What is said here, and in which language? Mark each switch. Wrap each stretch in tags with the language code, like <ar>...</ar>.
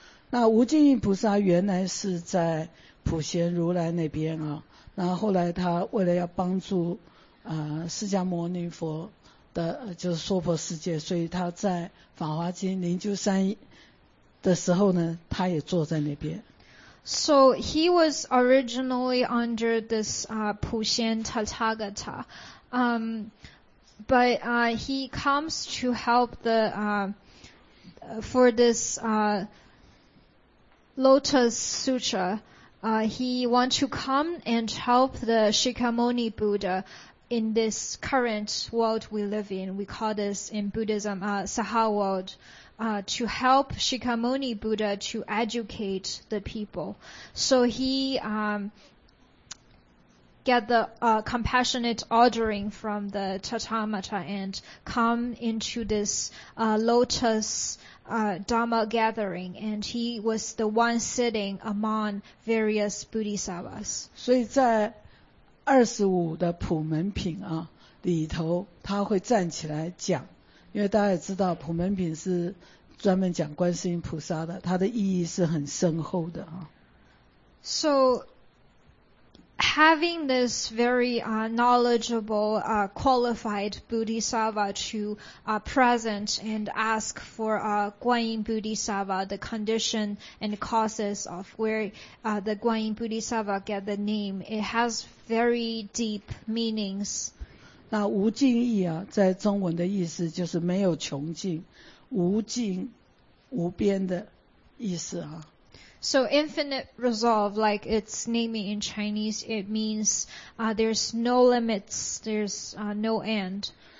<zh>那无尽意菩萨原来是在普贤如来那边啊，然后后来他为了要帮助。释迦牟尼佛的就是娑婆世界，所以他在《法华经》灵鹫山的时候呢，他也坐在那边。</zh> <en>So he was originally under this Puxian Tathagata, but he comes to help the for this Lotus Sutra. He want to come and help the Shikamoni Buddha. In this current world we live in, we call this in Buddhism Saha world, to help Shikamoni Buddha to educate the people. So he get the compassionate ordering from the Tathamata and come into this lotus Dharma gathering, and he was the one sitting among various Bodhisattvas. So in the</en> <zh>25的普门品啊里头，他会站起来讲，因为大家也知道普门品是专门讲观世音菩萨的，它的意义是很深厚的啊。</zh> <en>So having this very knowledgeable qualified Bodhisattva to present and ask for Guanyin Bodhisattva the condition and causes of where the Guanyin Bodhisattva get the name, it has very deep meanings.</en> <zh>那无尽意啊，在中文的意思就是没有穷尽，无尽无边的意思啊。</zh> <en>So infinite resolve, like its naming in Chinese, it means there's no limits, there's no end.</en>